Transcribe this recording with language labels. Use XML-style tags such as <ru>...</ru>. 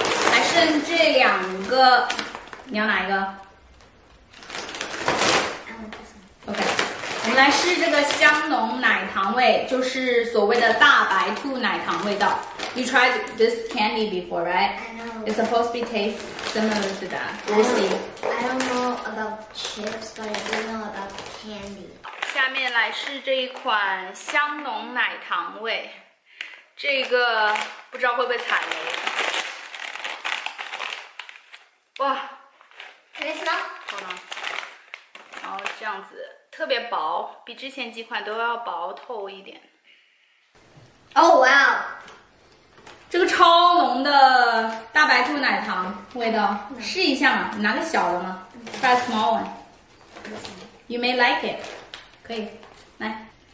<zh>还剩这两个，你要哪一个 ？</zh> <en>OK。</en> <zh>我们来试这个香浓奶糖味，就是所谓的大白兔奶糖味道。</zh> <en>You tried this candy before, right? I know. It's supposed to be taste similar to that. We'll see. I don't know about chips, but I do know about candy.</en> <zh>下面来试这一款香浓奶糖味，这个不知道会不会踩雷。哇</zh> <en>，Can you smell?</en> <zh>好吗？然后这样子。特别薄，比之前几款都要薄透一点。</zh> <en>Oh wow，</en> <zh>这个超浓的大白兔奶糖味道，试一下嘛，拿个小的嘛 ，</zh> <en>try a small one。 You may like it，</en> <zh>可以，来。</zh>